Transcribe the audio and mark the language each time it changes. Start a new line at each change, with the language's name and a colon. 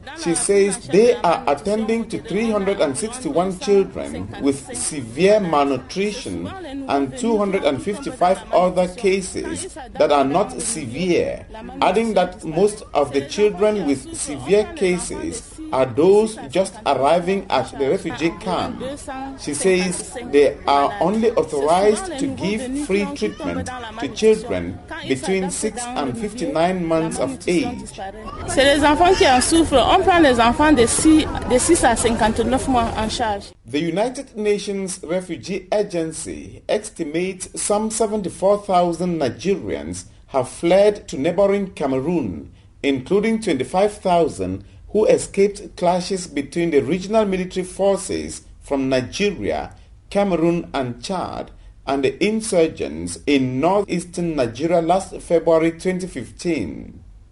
English: She says they are attending to 361 children with severe malnutrition and 255 other cases that are not severe, adding that most of the children with severe cases are those just arriving at the refugee camp. She says they are only authorized to give free treatment to children between 6 and 59 months of age.
French: C'est les enfants qui en souffrent. On prend les enfants de 6 à 59 mois en charge.
English: The United Nations Refugee Agency estimates some 74,000 Nigerians have fled to neighboring Cameroon, including 25,000 who escaped clashes between the regional military forces from Nigeria, Cameroon and Chad and the insurgents in northeastern Nigeria last February 2015.